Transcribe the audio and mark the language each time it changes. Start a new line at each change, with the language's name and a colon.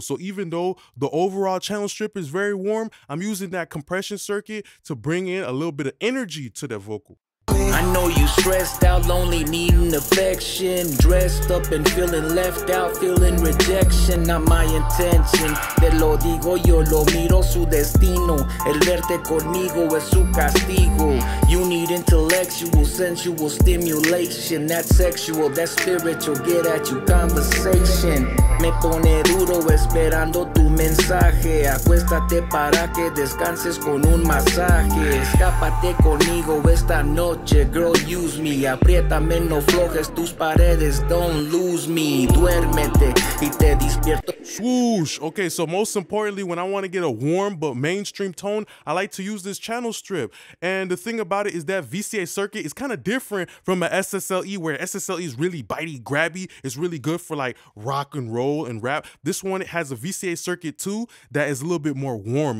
English: So even though the overall channel strip is very warm, I'm using that compression circuit to bring in a little bit of energy to that vocal. I know you stressed out, lonely, needing affection. Dressed up and feeling left out, feeling rejection. Not my intention,
Spanish: te lo digo, yo lo miro su destino. El verte conmigo es su castigo.
English: You need intellectual, sensual stimulation. That sexual, that spiritual, get at you conversation.
Spanish: Me pone duro esperando tu mensaje. Acuéstate para que descanses con un masaje. Escápate conmigo esta noche,
English: girl, use me.
Spanish: Apriétame, no flojes tus paredes,
English: don't lose me.
Spanish: Duérmete y te despierto. Swoosh.
English: Okay, so most importantly, when I want to get a warm but mainstream tone, I like to use this channel strip. And the thing about it is that VCA circuit is kind of different from a SSL-E, where SSL-E is really bitey, grabby. It's really good for like rock and roll and rap. This one has a VCA circuit too that is a little bit more warm.